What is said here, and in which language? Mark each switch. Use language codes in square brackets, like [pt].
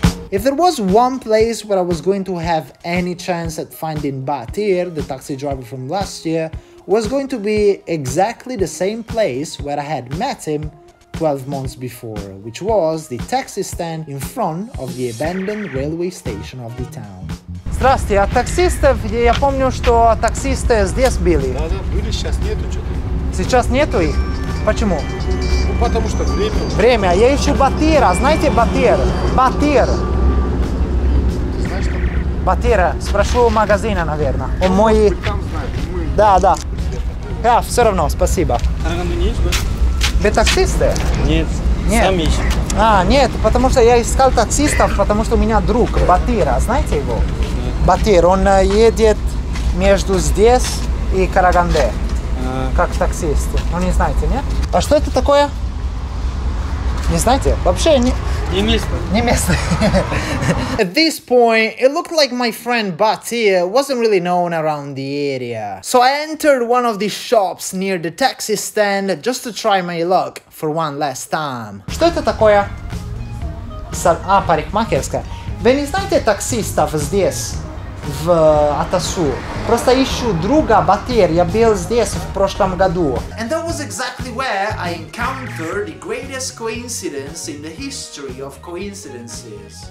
[en] If there was one place where I was going to have any chance at finding Batir, the taxi driver from last year, was going to be exactly the same place where I had met him 12 months before, which was the taxi stand in front of the abandoned railway station of the town. [ru] Здрасте, а таксистов, я помню, что таксисты здесь были. Да, да, были, сейчас нету что-то. Сейчас нету их? Почему? Ну, потому что время. Время, я ищу Батира, знаете Батир? Батир. Ты знаешь там? Батира, спрошу у магазина, наверное. Ну, может быть, там знают. Мы... Да, да. Да, все равно, спасибо. Караганду не ищешь, да? Вы таксисты? Нет. Нет. Сам ищу. А, нет, потому что я искал таксистов, потому что у меня друг Батира, знаете его? Батир, он едет между здесь и Караганде, как таксист. Ну, не знаете, нет? А что это такое? Не знаете? Вообще не... Не местный. Не местный. [en] At this point, it looked like my friend Batir wasn't really known around the area. So I entered one of the shops near the taxi stand just to try my luck for one last time. [ru] Что это такое? А, парикмахерская. Вы не знаете таксистов здесь? В Атасу. Просто ищу друга Батир. Я был здесь в прошлом году. [en] And that was exactly where I encountered the greatest coincidence in the history of coincidences.